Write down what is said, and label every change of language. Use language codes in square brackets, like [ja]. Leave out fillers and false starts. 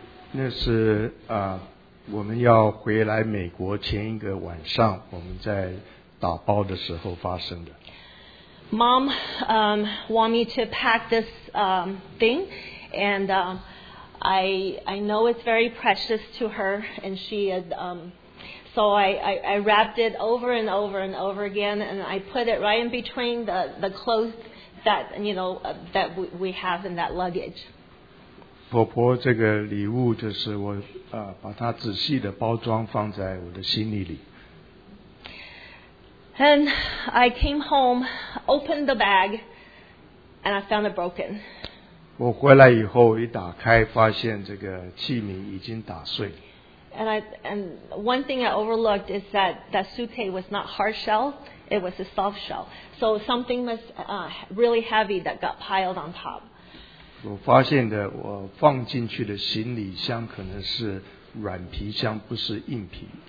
[zh] 那是我们要回来美国前一个晚上，我们在打包的时候发生的。 [en] Mom want me to pack this thing, and I know it's very precious to her, and she had, so I wrapped it over and over and over again, and I put it right in between the clothes. That you know that we have in that luggage. [zh] 婆婆这个礼物就是我把它仔细的包装放在我的行李里。 [en] And I came home, opened the bag, and I found it broken. [zh] 我回来以后一打开，发现这个器皿已经打碎。 [en] And one thing I overlooked is that suitcase was not hard shell. It was a soft shell. So something was really heavy that got piled on top. [zh] 我发现的我放进去的行李箱可能是软皮箱不是硬皮。